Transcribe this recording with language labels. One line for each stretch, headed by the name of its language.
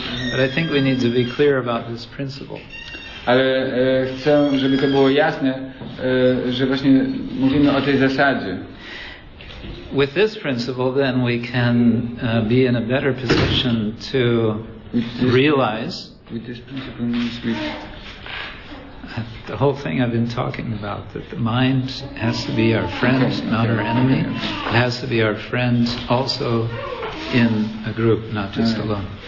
English: But I think we need to be clear about this principle.
Polish: Ale chcę, żeby to było jasne, że właśnie mówimy o tej zasadzie.
English: With this principle, then we can be in a better position to realize. With this principle means we. The whole thing I've been talking about, that the mind has to be our friend, not our enemy. It has to be our friend also in a group, not just alone.